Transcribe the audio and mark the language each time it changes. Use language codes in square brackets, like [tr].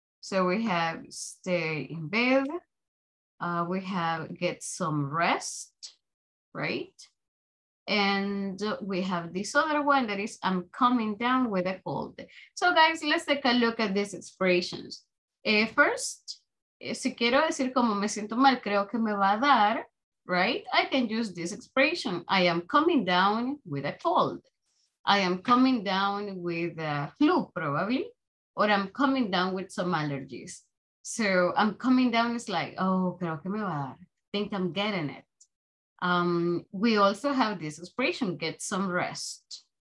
[en] So we have stay in bed. We have get some rest, right? And we have this other one that is I'm coming down with a cold. So guys, let's take a look at these expressions. [es] First, si quiero decir como me siento mal, creo que me va a dar, right? [en] I can use this expression. I am coming down with a cold. I am coming down with a flu probably, or I'm coming down with some allergies. So I'm coming down is like, oh, [es] creo que me va a dar. [en] I think I'm getting it. We also have this expression, get some rest.